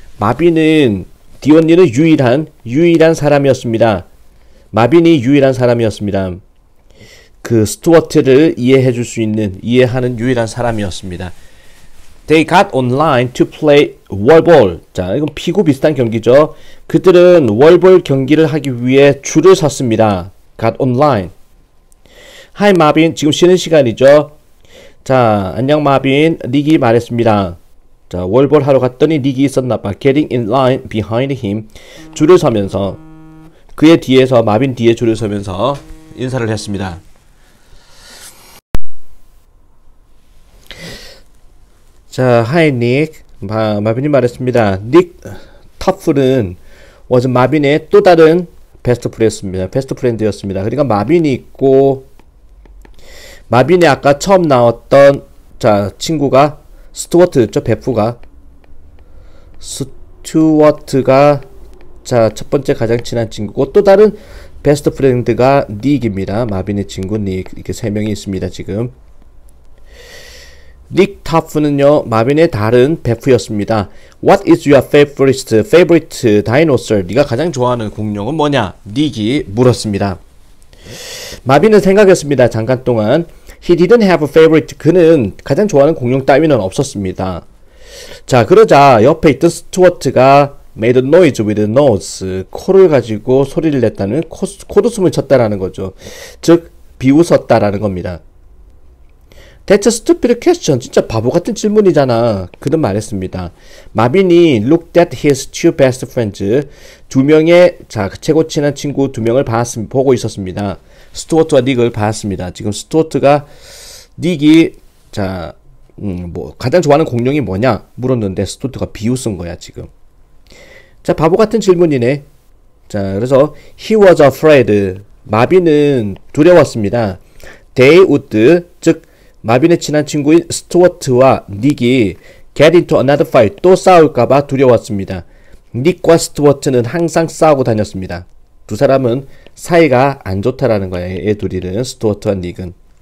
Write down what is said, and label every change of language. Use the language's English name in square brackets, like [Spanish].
[Korean] 마빈은 [English] the only [Korean] 는 유일한 사람이었습니다. 마빈이 유일한 사람이었습니다. 그 스튜어트를 이해해 줄수 있는 이해하는 유일한 사람이었습니다. [English] They got online to play wallball. [Korean] 자, 이건 피구 비슷한 경기죠. 그들은 wallball 경기를 하기 위해 줄을 섰습니다. [English] Got online. Hi, Marvin. [Korean] 지금 쉬는 시간이죠. 자, 안녕, Marvin. 닉이 말했습니다. 자, 월볼 하러 갔더니 닉이 있었나 봐. [English] Getting in line behind him. [Korean] 줄을 서면서, 그의 뒤에서, 마빈 뒤에 줄을 서면서 인사를 했습니다. 자, [English] Hi, Nick. [Korean] 마빈이 말했습니다. Nick Tuffle은 was 마빈의 또 다른 베스트 프렌드였습니다. 베스트 프렌드였습니다. 그러니까 마빈이 있고 마빈이 아까 처음 나왔던 자 친구가 스튜어트였죠. 베프가 스튜어트가 자첫 번째 가장 친한 친구고 또 다른 베스트 프렌드가 닉입니다. 마빈의 친구 닉 이렇게 세 명이 있습니다. 지금 닉 타프는요 마빈의 다른 베프였습니다. [English] What is your favorite dinosaur? [Korean] 네가 가장 좋아하는 공룡은 뭐냐? 닉이 물었습니다. 마빈은 생각했습니다. 잠깐 동안 [English] he didn't have a favorite. [Korean] 그는 가장 좋아하는 공룡 따위는 없었습니다. 자 그러자 옆에 있던 스튜어트가 [English] made a noise with a nose [Korean] 코를 가지고 소리를 냈다는 코웃음을 쳤다라는 거죠. 즉 비웃었다라는 겁니다. [English] That's a stupid question. [Korean] 진짜 바보 같은 질문이잖아. 그는 말했습니다. 마빈이 [English] looked at his two best friends. [Korean] 두 명의, 자, 최고 친한 친구 두 명을 보고 있었습니다. 스튜어트와 닉을 봤습니다. 지금 스튜어트가, 닉이, 자, 가장 좋아하는 공룡이 뭐냐? 물었는데 스튜어트가 비웃은 거야, 지금. 자, 바보 같은 질문이네. 자, 그래서 [English] he was afraid. [Korean] 마빈은 두려웠습니다. [English] They would, [Korean] 즉, 마빈의 친한 친구인 스튜어트와 닉이 [English] get into another fight [Korean] 또 싸울까봐 두려웠습니다. 닉과 스튜어트는 항상 싸우고 다녔습니다. 두 사람은 사이가 안 좋다라는 거야. 얘 둘이는 스튜어트와 닉은.